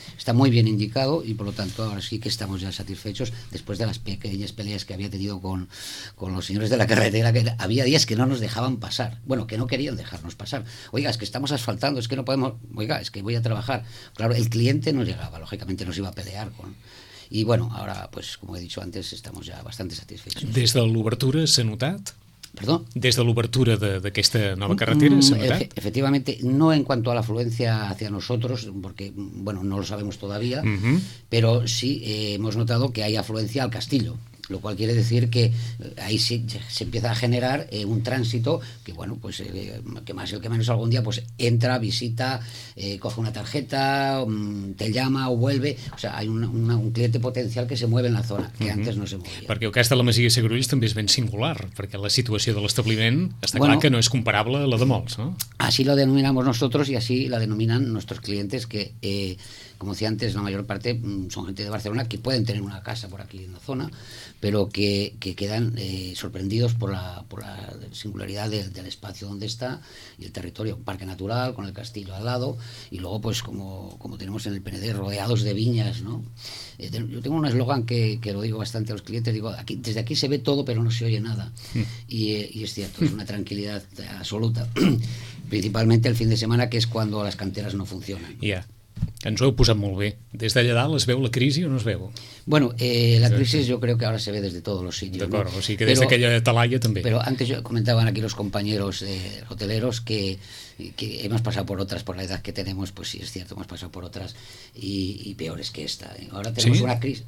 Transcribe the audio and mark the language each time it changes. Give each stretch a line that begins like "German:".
Spanish: Está muy bien indicado y por lo tanto ahora sí que estamos ya satisfechos después de las pequeñas peleas que había tenido con los señores de la carretera, que había días que no nos dejaban pasar, bueno, que no querían dejarnos pasar. Oiga, es que estamos asfaltando, es que no podemos, oiga, es que voy a trabajar. Claro, el cliente no llegaba, lógicamente nos iba a pelear con... Y bueno, ahora, pues como he dicho antes, estamos ya bastante satisfechos.
Catalan: ¿Des de l'obertura s'ha notat?
Spanish: ¿Perdón?
Catalan: ¿Des de l'obertura d'aquesta nova carretera s'ha notat?
Spanish: Efectivamente, no en cuanto a la afluencia hacia nosotros, porque, bueno, no lo sabemos todavía, pero sí hemos notado que hay afluencia al castillo. Lo cual quiere decir que ahí se empieza a generar un tránsito que, bueno, pues que más y que menos algún día pues entra, visita, coge una tarjeta, te llama o vuelve. O sea, hay un cliente potencial que se mueve en la zona, que antes no se movía.
Catalan: Perquè el cas de la Masia Segarulls també és ben singular, perquè la situació de l'establiment està clar que no és comparable a la de molts, no?
Spanish: Así lo denominamos nosotros y así la denominan nuestros clientes que... como decía antes, la mayor parte son gente de Barcelona que pueden tener una casa por aquí en la zona, pero que quedan sorprendidos por la singularidad del espacio donde está y el territorio, un parque natural con el castillo al lado, y luego pues como tenemos en el Penedès, rodeados de viñas, ¿no? Yo tengo un eslogan que lo digo bastante a los clientes, digo, aquí, desde aquí se ve todo pero no se oye nada, y es cierto, es una tranquilidad absoluta, principalmente el fin de semana, que es cuando las canteras no funcionan.
Catalan: Ya, ens ho heu posat molt bé. Des d'allà dalt es veu la crisi o no es veu? Bueno, la crisi jo crec que ara se ve des de tots els sitjos. D'acord, no? O sigui que des d'aquella talaia també. Però antes comentaven aquí els companys hoteleros
Spanish: que hemos pasado por otras, por la edad que tenemos, pues sí, es cierto, hemos pasado por otras y peores que esta. Ahora tenemos, ¿sí?, una crisis.